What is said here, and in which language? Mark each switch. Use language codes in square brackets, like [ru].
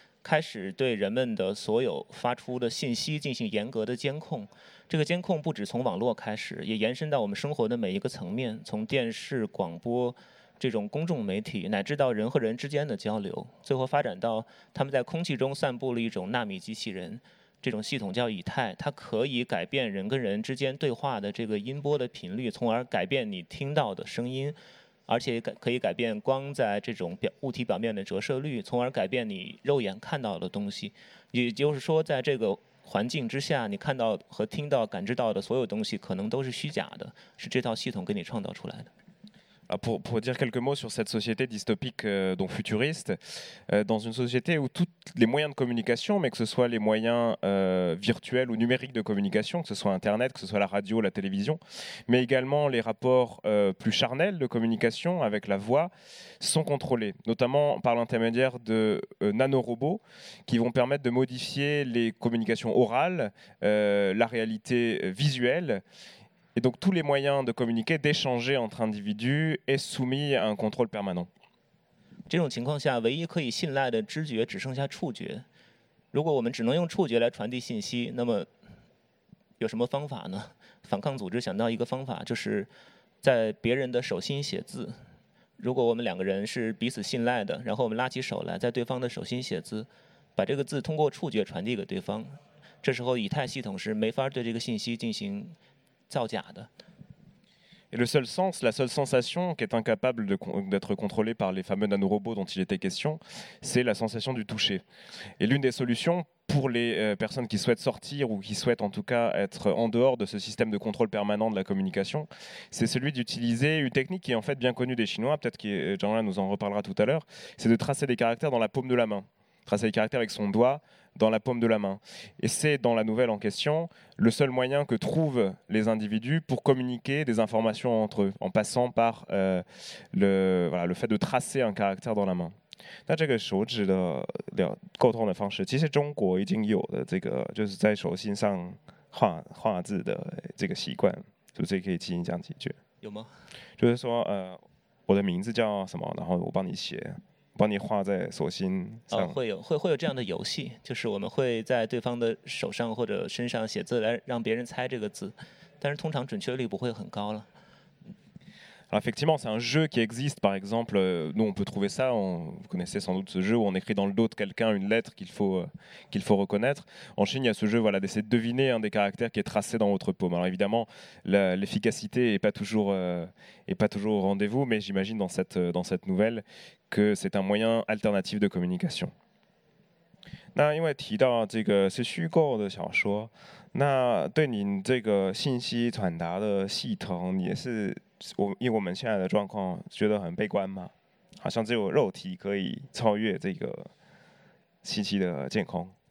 [zh] 开始对人们的所有发出的信息进行严格的监控，这个监控不止从网络开始，也延伸到我们生活的每一个层面，从电视广播这种公众媒体乃至到人和人之间的交流，最后发展到他们在空气中散布了一种纳米机器人，这种系统叫以太，它可以改变人跟人之间对话的这个音波的频率，从而改变你听到的声音，而且可以改变光在这种物体表面的折射率，从而改变你肉眼看到的东西，也就是说在这个环境之下，你看到和听到感知到的所有东西可能都是虚假的，是这套系统给你创造出来的。 [fr] Pour dire quelques mots sur cette société dystopique, donc futuriste, dans une société où tous les moyens de communication, mais que ce soit les moyens virtuels ou numériques de communication, que ce soit Internet, que ce soit la radio, la télévision, mais également les rapports plus charnels de communication avec la voix, sont contrôlés, notamment par l'intermédiaire de nanorobots qui vont permettre de modifier les communications orales, la réalité visuelle. Et donc tous les moyens de communiquer, d'échanger entre individus est soumis à un contrôle permanent. [zh] 这种情况下，唯一可以信赖的知觉只剩下触觉。如果我们只能用触觉来传递信息，那么有什么方法呢？反抗组织想到一个方法，就是在别人的手心写字。如果我们两个人是彼此信赖的，然后我们拉起手来，在对方的手心写字，把这个字通过触觉传递给对方。这时候，以太系统是没法对这个信息进行造假的。 [fr] Et le seul sens, la seule sensation qui est incapable de, d'être contrôlée par les fameux nanorobots dont il était question, c'est la sensation du toucher. Et l'une des solutions pour les personnes qui souhaitent sortir ou qui souhaitent en tout cas être en dehors de ce système de contrôle permanent de la communication, c'est celui d'utiliser une technique qui est en fait bien connue des Chinois, peut-être que Jean-Lan nous en reparlera tout à l'heure, c'est de tracer des caractères dans la paume de la main. Tracer des caractères avec son doigt dans la paume de la main. Et c'est, dans la nouvelle en question, le seul moyen que trouvent les individus pour communiquer des informations entre eux, en passant par le fait de tracer un caractère dans la main. [zh] 那这个手指的沟通的方式，其实中国已经有的这个，就是在手心上画字的这个习惯，是不是可以进行讲几句？有吗？就是说，我的名字叫什么，然后我帮你写。帮你画在手心上，会有这样的游戏，就是我们会在对方的手上或者身上写字来让别人猜这个字，但是通常准确率不会很高了。 [fr] Alors effectivement, c'est un jeu qui existe. Par exemple, nous, on peut trouver ça. Vous connaissez sans doute ce jeu où on écrit dans le dos de quelqu'un une lettre qu'il faut reconnaître. En Chine, il y a ce jeu voilà, d'essayer de deviner un des caractères qui est tracé dans votre paume. Alors évidemment, l'efficacité n'est pas toujours au rendez-vous, mais j'imagine dans cette nouvelle que c'est un moyen alternatif de communication. [zh] 那因为提到这个是虚构的小说，那对您这个信息传达的系统也是。因为我们现在的状况觉得很悲观嘛，好像只有肉体可以超越这个信息的监控。